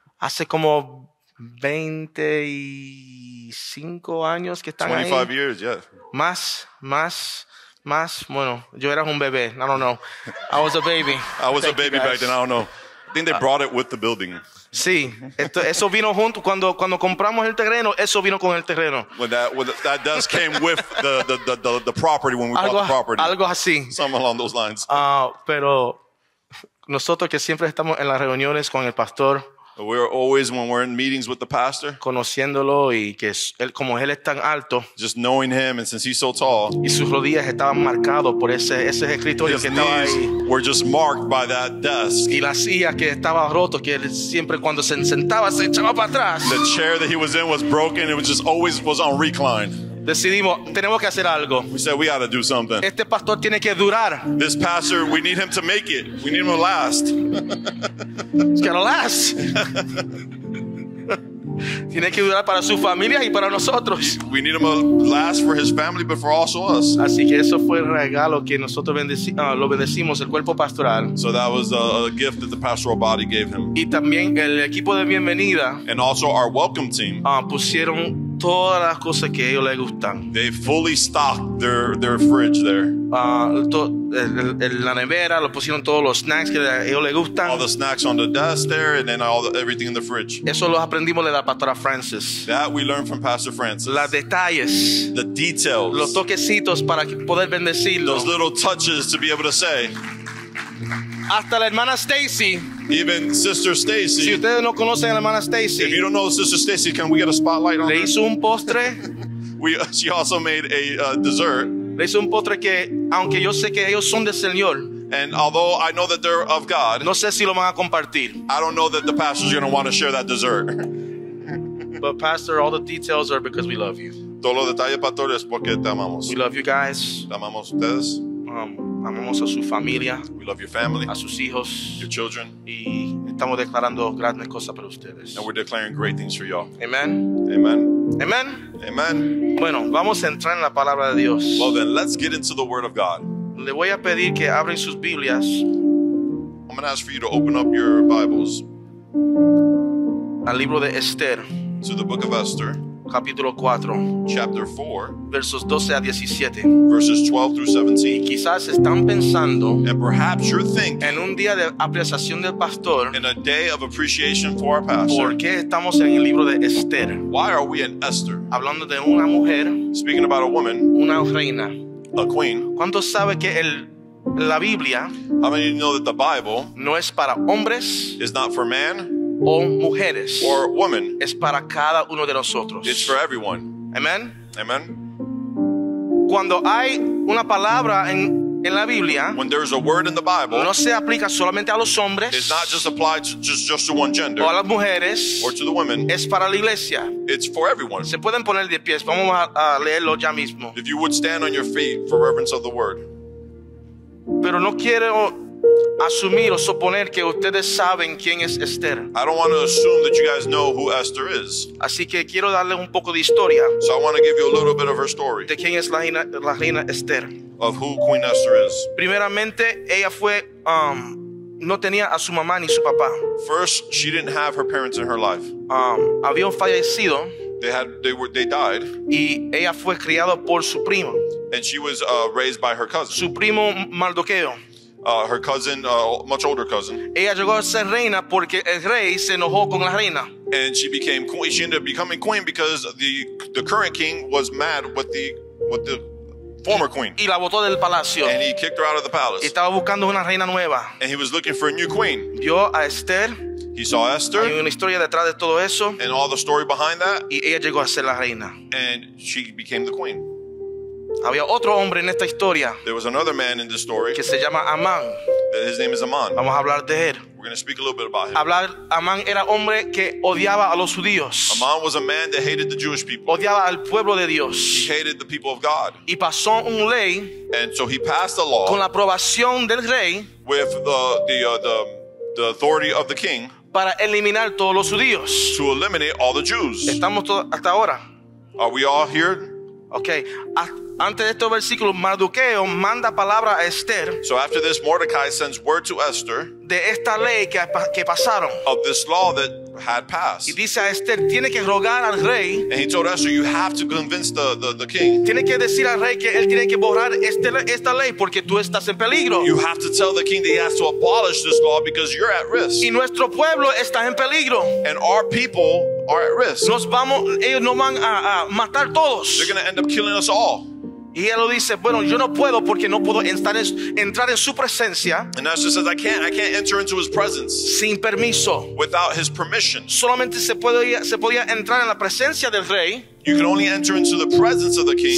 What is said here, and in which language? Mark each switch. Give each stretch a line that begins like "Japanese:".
Spanish: Hace como 25 años que están 25 ahí.
English: 25 years, yeah.
Spanish: Más. Bueno, yo era un bebé.
English: I don't know. I was a baby. I was Thank a baby back then. I don't know. I think they brought it with the building.
Spanish: Sí. Eso vino junto. Cuando compramos el terreno, eso vino con el terreno.
English: That desk came with the property when we bought the property.
Spanish: Algo así.
English: Something along those lines.
Spanish: Pero nosotros que siempre estamos en las reuniones con el pastor.
English: We are always, when we're in meetings with the pastor,
Spanish: conociéndolo y que él, como él es tan alto,
English: just knowing him, and since he's so tall,
Spanish: y sus rodillas estaban marcadas por ese escritorio que estaba ahí.
English: Were just marked by that desk.
Spanish: Y la silla que estaba roto, que él siempre cuando se sentaba se echaba para atrás.
English: The chair that he was in was broken. It was just always was on recline.
Spanish: Decidimos, tenemos que hacer algo.
English: We said we gotta do something.
Spanish: Este pastor tiene que durar.
English: This pastor, we need him to make it. We need him to last. It's gotta last.
Spanish: Tiene que durar para su familia y para nosotros.
English: We need him to last for his family, but for also us.
Spanish: Así que eso fue el regalo que nosotros lo bendecimos, el cuerpo pastoral.
English: So that was a gift that the pastoral body gave him.
Spanish: Y también el equipo de bienvenida.
English: And also our welcome team.
Spanish: Pusieron todas las cosas que ellos les gustan.
English: They fully stocked their fridge there.
Spanish: La nevera, lo pusieron todos los snacks que ellos les gustan.
English: All the snacks on the desk there, and then everything in the fridge.
Spanish: Eso lo aprendimos de la pastora Frances.
English: That we learned from Pastor Frances.
Spanish: Los detalles.
English: The details.
Spanish: Los toquecitos para poder bendecirlo.
English: Those little touches to be able to say.
Spanish: Hasta la hermana Stacy.
English: Even Sister Stacy.
Spanish: Si ustedes no conocen a la hermana Stacy.
English: If you don't know Sister Stacy, can we get a spotlight on her?
Spanish: Le hizo un postre.
English: She also made a dessert.
Spanish: Le hizo un postre que, aunque yo sé que ellos son del Señor.
English: And although I know that they're of God.
Spanish: No sé si lo van a compartir.
English: I don't know that the pastor's going to want to share that dessert. But Pastor, all the details are because we love you.
Spanish: Todos los detalles, pastor, es porque te amamos.
English: We love you guys.
Spanish: Te amamos ustedes. Amamos a su familia.
English: We love your family.
Spanish: A sus hijos.
English: Your children.
Spanish: Y estamos declarando grandes cosas para ustedes.
English: And we're declaring great things for y'all. Amen. Amen. Amen. Amen.
Spanish: Bueno, vamos a entrar en la palabra de Dios.
English: Well then, let's get into the word of God.
Spanish: Le voy a pedir que abren sus Biblias.
English: I'm going to ask for you to open up your Bibles.
Spanish: Al libro de Esther.
English: To the book of Esther.
Spanish: Capítulo 4,
English: chapter 4,
Spanish: versos 12 a 17,
English: verses 12 through 17.
Spanish: Y quizás están pensando,
English: and perhaps you're thinking,
Spanish: en un día de apreciación del pastor,
English: in a day of appreciation for our pastor,
Spanish: ¿por qué estamos en el libro de Esther?
English: Why are we in Esther?
Spanish: Hablando de una mujer,
English: speaking about a woman,
Spanish: una reina,
English: a queen.
Spanish: ¿Cuántos sabe que la Biblia,
English: how many of you know that the Bible,
Spanish: no es para hombres,
English: is not for man,
Spanish: o mujeres,
English: or women,
Spanish: es para cada uno de nosotros.
English: It's for everyone. Amen. Amen.
Spanish: Cuando hay una palabra en la Biblia,
English: when there is a word in the Bible,
Spanish: no se aplica solamente a los hombres,
English: it's not just applied to just to one gender,
Spanish: o a las mujeres,
English: or to the women,
Spanish: es para la iglesia.
English: It's for everyone.
Spanish: Se pueden poner de pies. Vamos a leerlo ya mismo.
English: If you would stand on your feet for reverence of the word.
Spanish: Pero no quiero asumir o suponer que ustedes saben quién es Esther.
English: I don't want to assume that you guys know who Esther is.
Spanish: Así que quiero darle un poco de historia.
English: So I want to give you a little bit of her story.
Spanish: De quién es la reina Esther.
English: Of who Queen Esther is.
Spanish: Primeramente, ella fue no tenía a su mamá ni su papá.
English: First, she didn't have her parents in her life.
Spanish: Habían fallecido.
English: They died.
Spanish: Y ella fue criada por su primo.
English: And she was raised by her cousin.
Spanish: Su primo Mardoqueo.
English: Her cousin, much older cousin.
Spanish: Ella llegó a ser reina porque el rey se enojó con la reina.
English: And she became queen. She ended up becoming queen because the current king was mad with the former queen.
Spanish: Y la botó del palacio.
English: And he kicked her out of the palace.
Spanish: Y estaba buscando una reina nueva.
English: And he was looking for a new queen.
Spanish: Vio a Esther.
English: He saw Esther.
Spanish: Hay una historia detrás de todo eso.
English: And all the story behind that.
Spanish: Y ella llegó a ser la reina.
English: And she became the queen.
Spanish: Había otro hombre en esta historia.
English: There was another man in this story.
Spanish: Que se llama Amán.
English: His name is Amán.
Spanish: Vamos a hablar de él.
English: We're going to speak a little bit about him.
Spanish: Amán era hombre que odiaba a los judíos.
English: Amán was a man that hated the Jewish people.
Spanish: Odiaba al pueblo de Dios.
English: He hated the people of God.
Spanish: Y pasó un ley.
English: And so he passed a law.
Spanish: Con la aprobación del rey.
English: With the authority of the king.
Spanish: Para eliminar todos los judíos.
English: To eliminate all the Jews.
Spanish: Estamos hasta ahora.
English: Are we all here? Okay.
Spanish: Antes de estos versículos, Mardoqueo manda palabra a Esther.
English: So after this, Mordecai sends word to Esther.
Spanish: De esta ley que pasaron.
English: Of this law that had passed.
Spanish: Y dice a Esther, tiene que rogar al rey.
English: And he told Esther, you have to convince the king.
Spanish: Tiene que decir al rey que él tiene que borrar esta ley porque tú estás en peligro.
English: You have to tell the king that he has to abolish this law because you're at risk.
Spanish: Y nuestro pueblo está en peligro.
English: And our people are at risk.
Spanish: Ellos nos van a matar todos.
English: They're going to end up killing us all.
Spanish: Y él lo dice, bueno, yo no puedo porque no puedo entrar en su presencia.
English: And Esther says, I can't enter into his presence.
Spanish: Sin permiso.
English: Without his permission.
Spanish: Solamente se podía entrar en la presencia del rey.
English: You can only enter into the presence of the king.